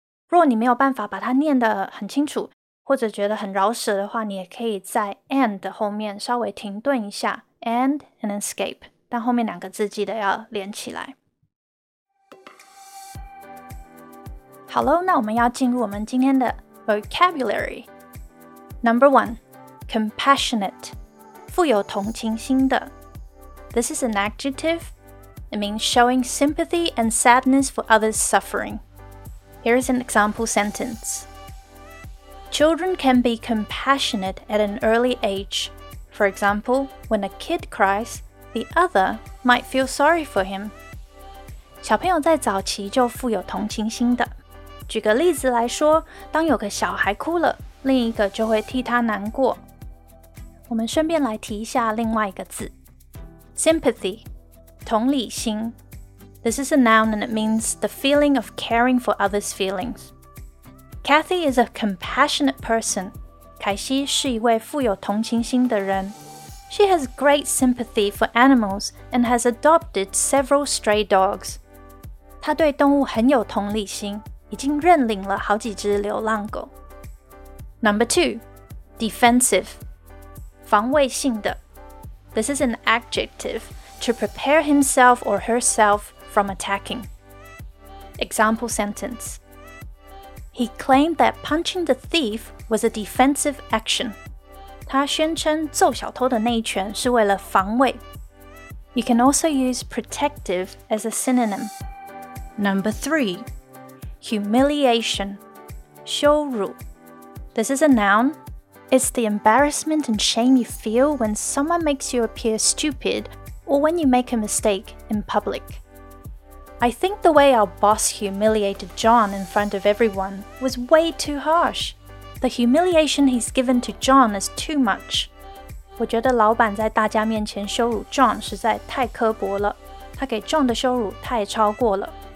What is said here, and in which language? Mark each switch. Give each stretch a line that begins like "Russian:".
Chinese: 若你没有办法把它念得很清楚或者觉得很饶舌的话，你也可以在 and 后面稍微停顿一下
English: and an escape，
Chinese: 但后面两个字记得要连起来。好喽，那我们要进入我们今天的 vocabulary。
English: Number one, compassionate，
Chinese: 富有同情心的。
English: This is an adjective. It means showing sympathy and sadness for others' suffering. Here is an example sentence. Children can be compassionate at an early age. For example, when a kid cries, the other might feel sorry for him.
Chinese: 小朋友在早期就富有同情心的。举个例子来说，当有个小孩哭了，另一个就会替他难过。我们顺便来提一下另外一个字，sympathy， 同理心。
English: This is a noun and it means the feeling of caring for others' feelings. Kathy is a compassionate person.
Chinese: 凯西是一位富有同情心的人。
English: She has great sympathy for animals and has adopted several stray dogs.
Chinese: 她对动物很有同理心。已经认领了好几只流浪狗。
English: Number two, defensive,
Chinese: 防卫性的。
English: This is an adjective to prepare himself or herself from attacking. Example sentence. He claimed that punching the thief was a defensive action.
Chinese: 他宣称揍小偷的那一拳是为了防卫。
English: You can also use protective as a synonym. Number 3. Humiliation.
Chinese: 羞辱.
English: This is a noun. It's the embarrassment and shame you feel when someone makes you appear stupid or when you make a mistake in public. I think the way our boss humiliated John in front of everyone was way too harsh. The humiliation he's given to John is too much.
Chinese: 我觉得老板在大家面前羞辱 John 实在太刻薄了，他给 John 的羞辱太超过了。